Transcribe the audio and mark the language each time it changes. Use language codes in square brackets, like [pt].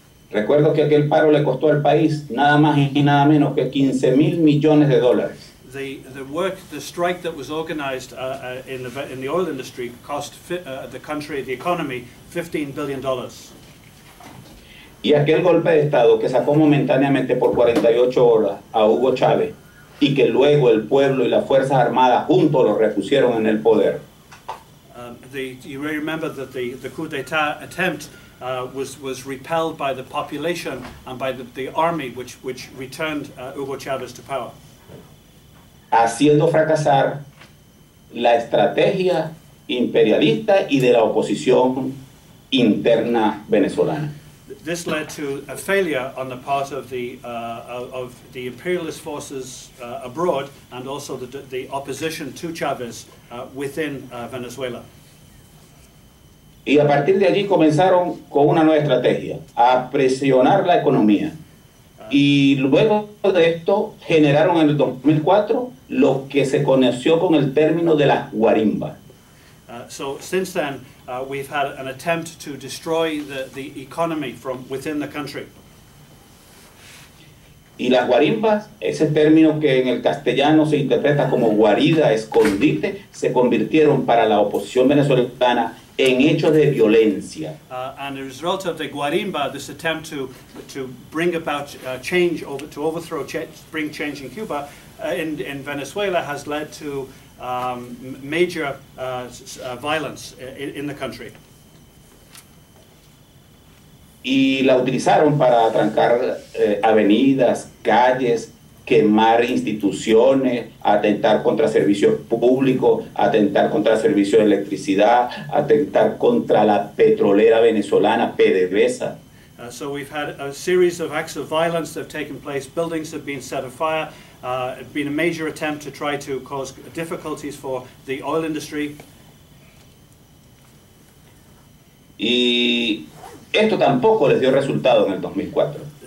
[es] Recuerdo que aquel paro le costó al país nada más y nada menos que 15 mil millones de dólares. [en] The strike that was organized in the oil industry cost the country, the economy, $15 billion. [es] Y aquel golpe de Estado que sacó momentáneamente por 48 horas a Hugo Chávez y que luego el pueblo y las Fuerzas Armadas juntos lo repusieron en el poder. [en] You remember that the coup d'etat attempt was repelled by the population and by the army which returned Hugo Chavez to power. [es] Haciendo fracasar la estrategia imperialista y de la oposición interna venezolana. [en] This led to a failure on the part of the imperialist forces abroad and also the opposition to Chavez within Venezuela. [es] Y a partir de allí comenzaron con una nueva estrategia, a presionar la economía. Y luego de esto generaron en el 2004 lo que se conoció con el término de la guarimba. [en] So since then we've had an attempt to destroy the economy from within the country. [es] Y las guarimbas, ese término que en el castellano se interpreta como guarida, escondite, se convirtieron para la oposición venezolana en hechos de violencia. [en] And as a result of the guarimba, this attempt to bring about change, to overthrow, bring change in Cuba, in Venezuela, has led to major violence in the country. [es] Y la utilizaron para atrancar avenidas, calles, quemar instituciones, atentar contra servicios públicos, atentar contra servicios de electricidad, atentar contra la petrolera venezolana PDVSA. [en] So we've had a series of acts of violence that have taken place. Buildings have been set afire. It's been a major attempt to try to cause difficulties for the oil industry. [es] Y esto tampoco les dio resultado en el 2004.